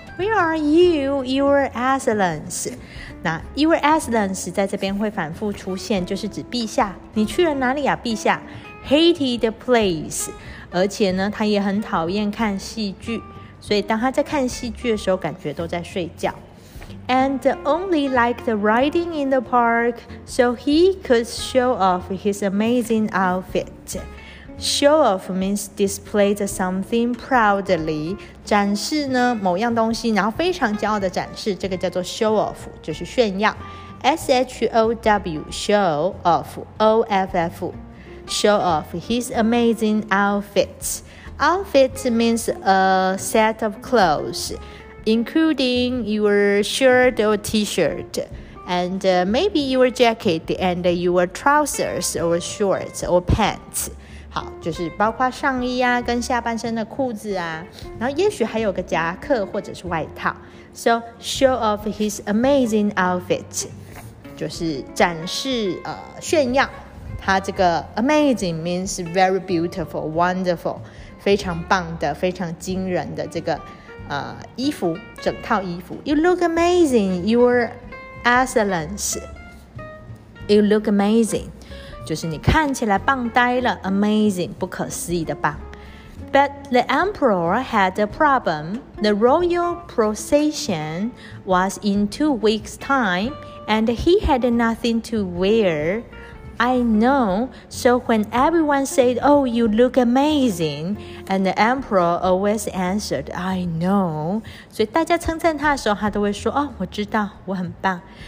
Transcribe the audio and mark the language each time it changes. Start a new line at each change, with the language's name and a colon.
English: Where are you, Your Excellence?
Chinese: 那 Your Excellence 在这边会反复出现，就是指陛下。你去了哪里啊，陛下 ？
English: Hated the place.
Chinese: 而且呢，他也很讨厌看戏剧，所以当他在看戏剧的时候，感觉都在睡觉。
English: And only liked riding in the park so he could show off his amazing outfit. Show off means display something proudly.
Chinese: 展示呢某样东西，然后非常骄傲的展示，这个叫做 show off， 就是炫耀。
English: S-H-O-W, show off, O-F-F, show off his amazing outfit. Outfit means a set of clothes. Including your shirt or t-shirt, and maybe your jacket and your trousers or shorts or pants.
Chinese: 好，就是包括上衣啊，跟下半身的裤子啊，然后也许还有个夹克或者是外套。
English: So show off his amazing outfit,
Chinese: 就是展示炫耀。他这个
English: amazing means very beautiful, wonderful,
Chinese: 非常棒的，非常惊人的这个。衣服，整套衣服。
English: You look amazing, Your Excellence. You look amazing.
Chinese: 就是你看起来棒呆了 ,amazing, 不可思议的棒。
English: But the emperor had a problem. The royal procession was in 2 weeks' time, and he had nothing to wear. I know, so when everyone said, oh, you look amazing, and the emperor always answered, I know.
Chinese: 所以大家称赞他的时候，他都会说，哦，我知道，我很棒。